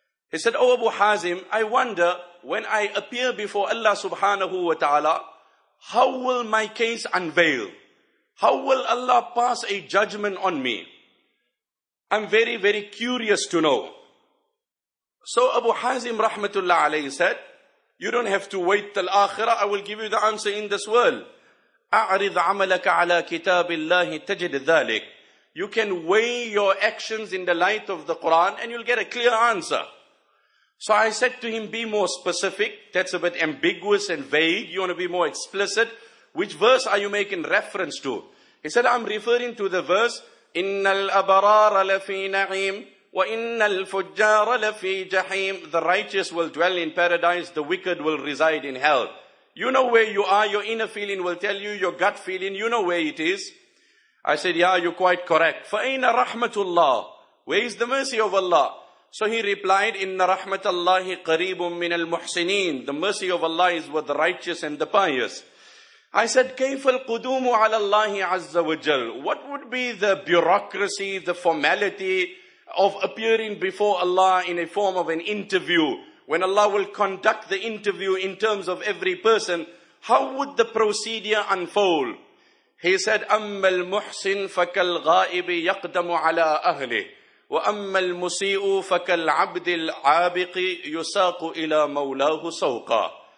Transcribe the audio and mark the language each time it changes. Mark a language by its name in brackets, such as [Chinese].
[English] He said, O Abu Hazim, I wonder when I appear before Allah subhanahu wa ta'ala, how will my case unveil? How will Allah pass a judgment on me? I'm very, very curious to know. So Abu Hazim rahmatullah alayhi said, you don't have to wait till akhirah, I will give you the answer in this world. [Arabic] أعرض عملك على كتاب الله تجد ذلك. [English] You can weigh your actions in the light of the Quran and you'll get a clear answer. So I said to him, be more specific. That's a bit ambiguous and vague. You want to be more explicit. Which verse are you making reference to? He said, I'm referring to the verse, [Arabic] إِنَّ الْأَبَرَارَ لَفِي نَعِيمٍ وَإِنَّ الْفُجَّارَ لَفِي جَحِيمٍ. [English] The righteous will dwell in paradise, the wicked will reside in hell. You know where you are, your inner feeling will tell you, your gut feeling, you know where it is. I said, yeah, you're quite correct. [Arabic] فَأَيْنَ رَحْمَةُ اللَّهِ. [English] Where is the mercy of Allah? So he replied, [Arabic] إِنَّ رَحْمَةَ اللَّهِ قَرِيبٌ مِّنَ الْمُحْسِنِينَ. [English] The mercy of Allah is with the righteous and the pious. I said, [Arabic] كَيْفَ الْقُدُومُ عَلَى اللَّهِ عَزَّ وَجَلْ. [English] What would be the bureaucracy, the formality of appearing before Allah in a form of an interview? When Allah will conduct the interview in terms of every person, how would the procedure unfold? He said, [Arabic] أَمَّا الْمُحْسِنْ فَكَالْغَائِبِ يَقْدَمُ عَلَىٰ أَهْلِهِ وَأَمَّا الْمُسِيءُ فَكَالْعَبْدِ الْعَابِقِ يُسَاقُ إِلَىٰ مَوْلَاهُ سَوْقًا.